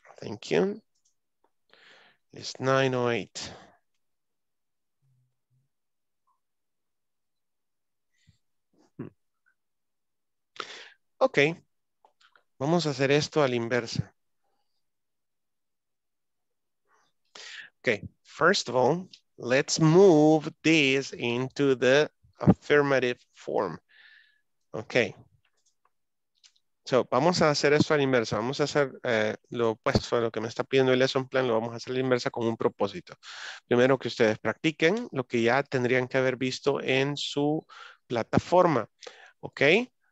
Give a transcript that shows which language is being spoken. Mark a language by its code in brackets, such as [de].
[en] Thank you. It's 9:08. [es] Okay, vamos a hacer esto a la inversa. [en] Okay, first of all, let's move this into the affirmative form. [es] Okay, so vamos a hacer esto a la inversa. Vamos a hacer lo opuesto a lo que me está pidiendo el lesson plan. Lo vamos a hacer a la inversa con un propósito. Primero que ustedes practiquen lo que ya tendrían que haber visto en su plataforma. Okay.